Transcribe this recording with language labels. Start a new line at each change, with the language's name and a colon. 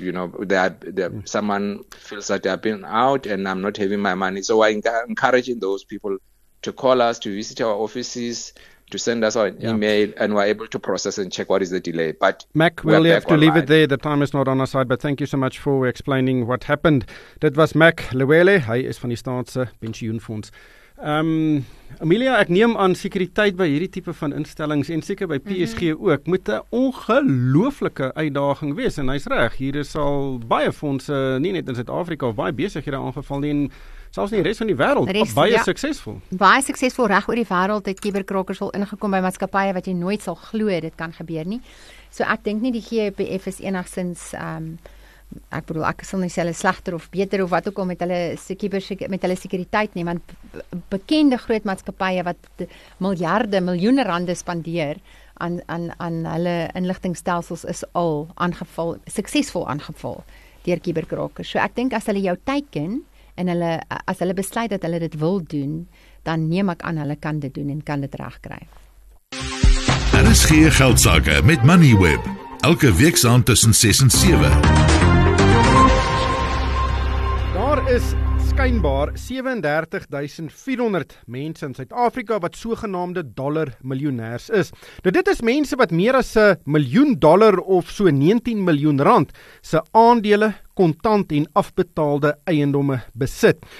English: You know, someone feels that they have been out and I'm not having my money. So I'm encouraging those people to call us, to visit our offices, to send us an email, and we're able to process and check what is the delay. But Mac, we'll have to leave it there. The time is not on our side, but thank you so much for explaining what happened. That was Mac Lewele.
Afrikaans: Hy is van die Staatse Pensioenfonds. Amelia, ek neem aan sekuriteit by hierdie tipe van instellings en seker by PSG ook, moet 'n ongelooflike uitdaging wees, en hy's reg, hier is al baie fondse, nie net in Suid-Afrika, baie besighede aangeval nie, en selfs nie die res van die wêreld, baie suksesvol. Baie suksesvol reg oor die wêreld, het cyberkrakers al ingekom by maatskappye wat jy nooit sal glo, dit kan gebeur nie. So ek dink nie die GEPF is enigszins ek bedoel, ek sal nie sê hulle slegter of beter of wat ook al met hulle sekuriteit nie, want bekende groot maatskappye wat miljarde, miljoene rande spandeer aan hulle inligtingstelsels is al aangeval, suksesvol aangeval deur kiberkrakers. So ek dink as hulle jou teiken en hulle as hulle besluit dat hulle dit wil doen, dan neem ek aan hulle kan dit doen en kan dit regkry. Daar is geen geldsaake met Moneyweb. Elke week saam tussen 6 en 7. Daar is skynbaar 37,400 mense in Suid-Afrika wat sogenaamde dollar miljonêers is. Nou dit is mense wat meer as 'n miljoen dollar of so 19 miljoen rand se aandele, kontant en afbetaalde eiendomme besit.